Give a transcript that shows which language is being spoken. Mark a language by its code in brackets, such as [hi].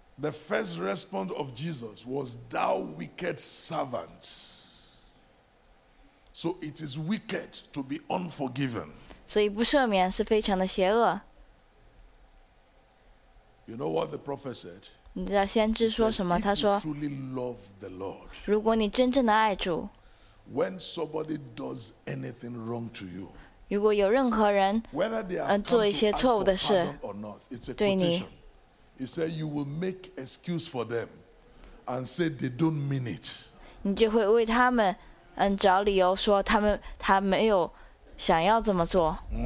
[en] The first response of Jesus was, "Thou wicked servant." So it is wicked to be unforgiven. [zh] 所以不赦免是非常的邪恶。 [en] You know what the prophet said? [zh] 你知道先知说什么？他说 [en] "If you truly love the Lord." [zh] 如果你真正的爱主。 [en] When somebody does anything wrong to you. [zh] 如果有任何人做一些错误的事对你， [en] He said you will make excuse for them and say they don't mean it. [zh] 你就会为他们找理由说他没有想要这么做。